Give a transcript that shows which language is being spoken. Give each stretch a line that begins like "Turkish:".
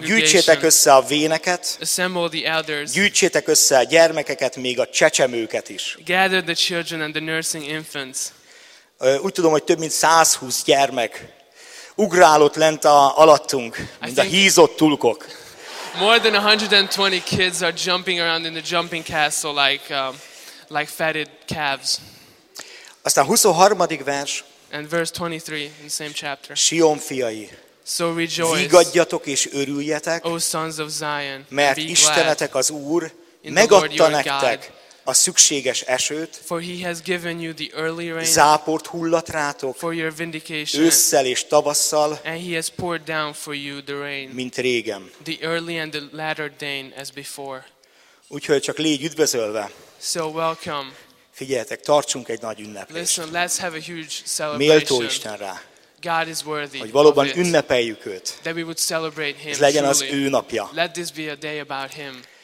Hungarian: Gyűjtsétek össze a véneket.
English: Assemble the elders.
Hungarian: Gyűjtsétek össze a gyermekeket, még a csecsemőket is.
English: Gather the children and the nursing infants.
Hungarian: Úgy tudom, hogy több mint 120 gyermek ugrálott lent a alattunk, mint a hízott tulkok.
English: More than 120 kids are jumping around in the jumping castle like fatted calves.
Hungarian: Aztán 23. vers.
English: And verse 23 in the same chapter.
Hungarian: Sion fiai.
English: So rejoice.
Hungarian: Vigadjatok és örüljetek.
English: O sons of Zion.
Hungarian: Mert Istenetek az Úr megadta nektek a szükséges esőt.
English: For he has given you the early rain.
Hungarian: Záport hullat rátok.
English: For your vindication.
Hungarian: Ősszel és tavasszal.
English: And he has poured down for you the rain.
Hungarian: Mint régen.
English: The early and the latter rain as before.
Hungarian: Úgyhogy csak légy üdvözölve.
English: So welcome.
Hungarian: Figyeljetek, tartsunk egy nagy ünneplést.
English: Listen, let's have a huge celebration.
Hungarian: Méltó Isten rá.
English: God is worthy.
Hungarian: Hogy valóban ünnepeljük őt.
English: That we would celebrate him.
Hungarian: Ez legyen
English: truly
Hungarian: az ő napja.
English: Let this be a day about him.